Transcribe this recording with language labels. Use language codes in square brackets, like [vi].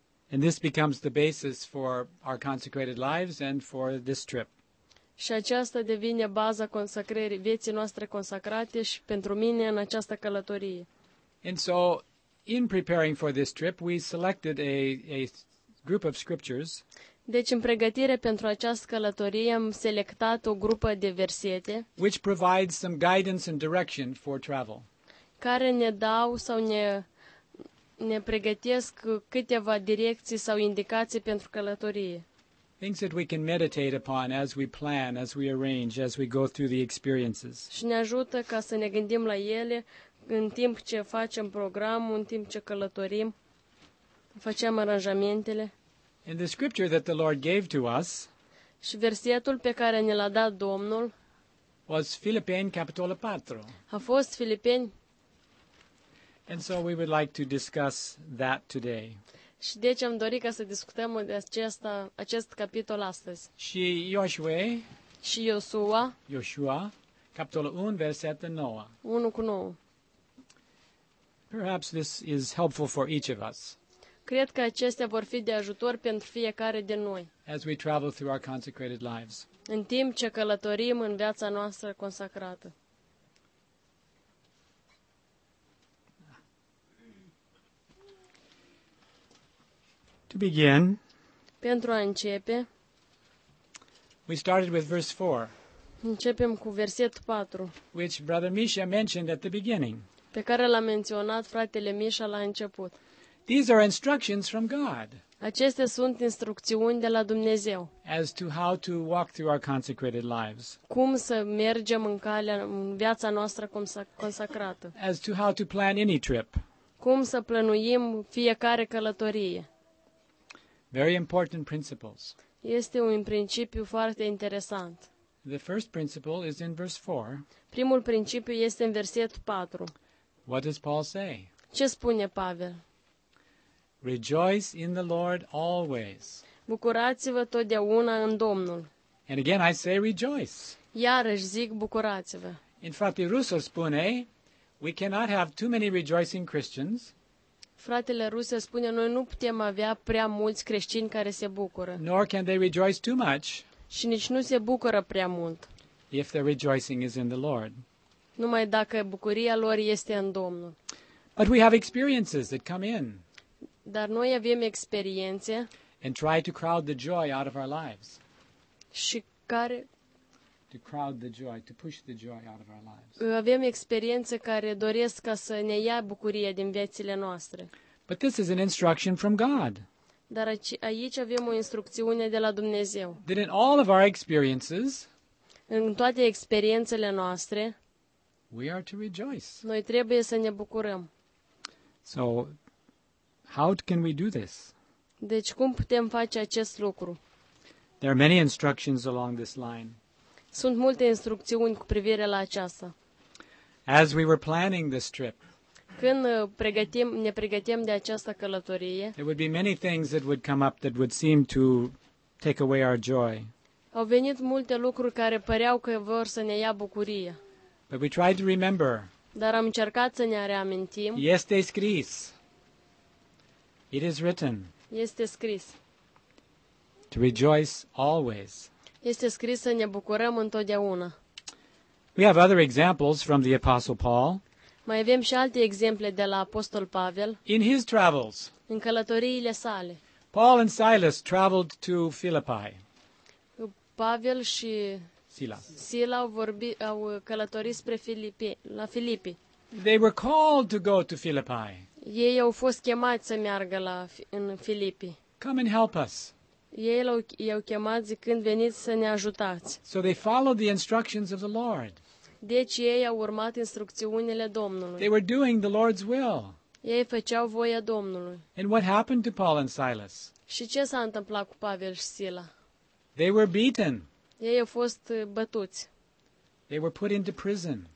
[en] And this becomes the basis for our consecrated lives and for this trip. [ro] Și aceasta devine baza consacrării vieții noastre consacrate și pentru mine în această călătorie. [en] And so, in preparing for this trip, we selected a group of scriptures. [ro] Deci, în pregătire pentru această călătorie, am selectat o grupă de versete. [en] Which provides some guidance and direction for travel. [ro] Care ne dau sau ne pregătesc câteva direcții sau indicații pentru călătorie. [en] Things that we can meditate upon as we plan, as we arrange, as we go through the experiences. [ro] Și ne ajută ca să ne gândim la ele în timp ce facem program, în timp ce călătorim, facem aranjamentele. [en] And the scripture that the Lord gave to us, [ro] Și versetul pe care ne l-a dat Domnul [en] was Philippians [ro] capitolul 4. A fost Filipeni. [en] And so we would like to discuss that today. [ro] Și deci am dorit ca să discutăm de acest capitol astăzi. Și Iosua. Și Iosua. Iosua, capitolul 1, versetul 9. 1 cu 9. [en] Perhaps this is helpful for each of us. [ro] Cred că acestea vor fi de ajutor pentru fiecare de noi. [en] As we travel through our consecrated lives. [ro] În timp ce călătorim în viața noastră consacrată. [en] To begin. [ro] Pentru a începe. [en] We started with verse 4. [ro] Începem cu versetul 4. [en] Which Brother Misha mentioned at the beginning. [ro] Pe care l-a menționat fratele Misha la început. [en] These are instructions from God. [ro] Acestea sunt instrucțiuni de la Dumnezeu. [en] As to how to walk through our consecrated lives. [ro] Cum să mergem în calea în viața noastră consacrată. [en] As to how to plan any trip. [ro] Cum să plănuim fiecare călătorie. [en] Very important principles. [ro] Este un principiu foarte interesant. [en] The first principle is in verse 4. [ro] Primul principiu este în versetul 4. [en] What does Paul say? [ro] Ce spune Pavel? [en] Rejoice in the Lord always. [ro] Bucurați-vă totdeauna în Domnul. [en] And again I say rejoice. [ro] Iarăși zic bucurați-vă. [en] In fact, [ro] Rusul spune, [en] we cannot have too many rejoicing Christians. [ro] Fratele Rusia spune, noi nu putem avea prea mulți creștini care se bucură. [en] Nor can they rejoice too much. [ro] Și nici nu se bucură prea mult. [en] If their rejoicing is in the Lord. [ro] Numai dacă bucuria lor este în Domnul. [en] But we have experiences that come in. [ro] Dar noi avem experiențe. [en] And try to crowd the joy out of our lives. [ro] Și care... [en] To crowd the joy, to push the joy out of our lives. [ro] Avem experiențe care doresc ca să ne ia bucuria din viețile noastre. [en] But this is an instruction from God. [ro] Dar aici avem o instrucțiune de la Dumnezeu. [en] That in all of our experiences, [ro] în toate experiențele noastre, [en] we are to rejoice. [ro] Noi trebuie să ne bucurăm. [en] So, how can we do this? [ro] Deci cum putem face acest lucru? [en] There are many instructions along this line. [ro] Sunt multe instrucțiuni cu privire la aceasta. [en] As we were planning this trip, [ro] când ne pregătim de această călătorie, [en] there would be many things that would come up that would seem to take away our joy. [ro] Au venit multe lucruri care păreau că vor să ne ia bucuria. [en] But we tried to remember. [ro] Dar am încercat să ne reamintim. Este scris. [en] It is written. [ro] Este scris. [en] To rejoice always. [ro] Este scris să ne bucurăm întotdeauna. [en] We have other examples from the Apostle Paul. [ro] Mai avem și alte exemple de la Apostol Pavel. [en] In his travels. [ro] În călătoriile sale. [en] Paul and Silas traveled to Philippi. [ro] Pavel și Sila au călătorit spre Filipi, la Filipi. [en] They were called to go to Philippi. [ro] Ei au fost chemați să meargă în Filipi. [en] Come and help us. [ro] Ei l-au chemat zicând, veniți să ne ajutați. [en] So they followed the instructions of the Lord. [ro] Deci ei au urmat instrucțiunile Domnului. [en] They were doing the Lord's will. [ro] Ei făceau voia Domnului. [en] And what happened to Paul and Silas? [ro] Și ce s-a întâmplat cu Pavel și Sila? [en] They were beaten. [ro] Ei au fost bătuți. [en] They were put into prison.